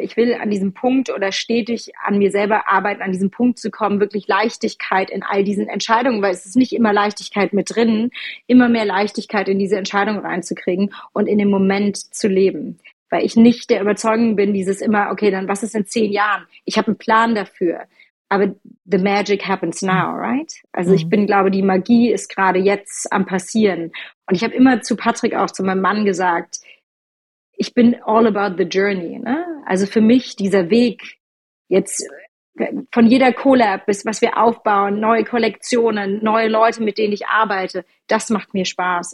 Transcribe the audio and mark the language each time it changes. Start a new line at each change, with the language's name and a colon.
German: Ich will an diesem Punkt oder stetig an mir selber arbeiten, an diesem Punkt zu kommen, wirklich Leichtigkeit in all diesen Entscheidungen, weil es ist nicht immer Leichtigkeit mit drin, immer mehr Leichtigkeit in diese Entscheidung reinzukriegen und in dem Moment zu leben. Weil ich nicht der Überzeugung bin, dieses immer, okay, dann was ist in 10 Jahren? Ich habe einen Plan dafür. Aber
English: the magic happens now, right?
German: Also ich bin, glaube, die Magie ist gerade jetzt am passieren. Und ich habe immer zu Patrick, auch zu meinem Mann gesagt, ich bin
English: all about the journey,
German: ne? Also für mich dieser Weg jetzt von jeder Collab bis was wir aufbauen, neue Kollektionen, neue Leute, mit denen ich arbeite, das macht mir Spaß.